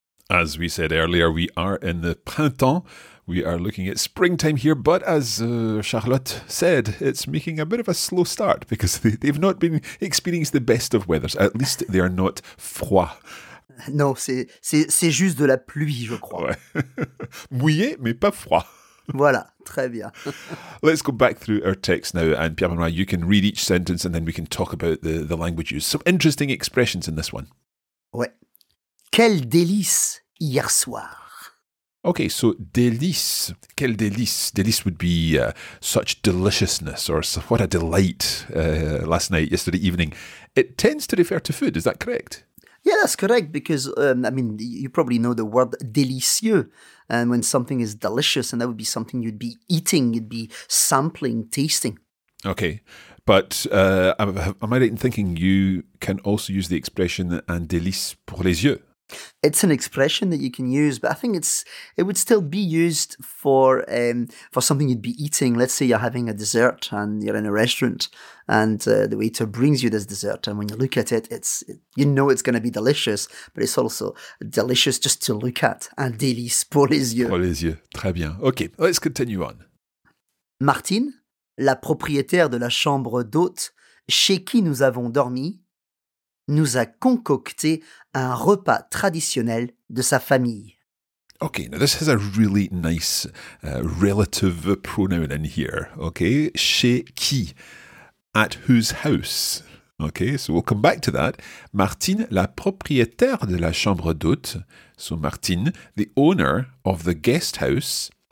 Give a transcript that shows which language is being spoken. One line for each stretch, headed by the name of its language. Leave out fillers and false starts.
English: As we said earlier, we are in the printemps. We are looking at springtime here, but as Charlotte said, it's making a bit of a slow start because they've not been experiencing the best of weathers. At least they are not froid.
French: Non, c'est juste de la pluie, je crois. Ouais. Mouillé, mais pas froid. Voilà, très bien.
English: Let's go back through our text now, and Pierre-Benoît, you can read each sentence and then we can talk about the language used. Some interesting expressions in this one.
French: Ouais. Quel délice hier soir.
English: Okay, so
French: délice. Quel délice.
English: Délice would be such deliciousness or what a delight last night, yesterday evening. It tends to refer to food, is that correct? Yeah, that's correct, because, I mean, you probably know the word délicieux. And when something is delicious, and that would be something you'd be eating, you'd be sampling, tasting. Okay. But am I right in thinking you can also use the expression
French: un délice pour les yeux?
English: It's an expression that you can use, but I think it would still be used for something you'd be eating. Let's say you're having a dessert and you're in a restaurant and the waiter brings you this dessert. And when you look at it, you know it's going to be delicious, but it's also delicious just to look at.
French: Un délice pour les yeux. Pour les yeux. Très bien.
English: OK, let's continue on.
French: Martine, la propriétaire de la chambre d'hôte chez qui nous avons dormi, nous a concocté un repas traditionnel de sa famille.
English: Okay, now this has a really nice relative pronoun in here. Okay,
French: chez qui?
English: At whose house? Okay, so we'll come back to that.
French: Martine, la propriétaire de la chambre d'hôte.
English: So Martine, the owner of the guest house.